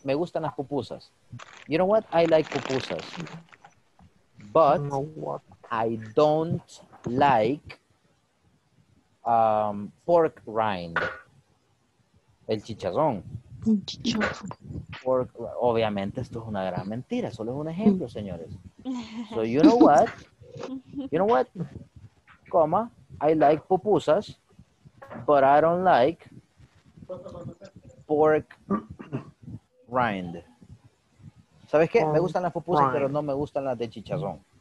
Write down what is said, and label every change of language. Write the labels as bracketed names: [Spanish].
[Spanish] Me gustan las pupusas. [English] You know what? I like pupusas. But I don't like pork rind. [Spanish] El chicharrón. Pork, obviamente esto es una gran mentira, solo es un ejemplo, señores. [English] So you know what? You know what? Comma, I like pupusas, but I don't like pork rind. [Spanish] ¿Sabes qué? Me gustan las pupusas, rind, pero no me gustan las de chicharrón.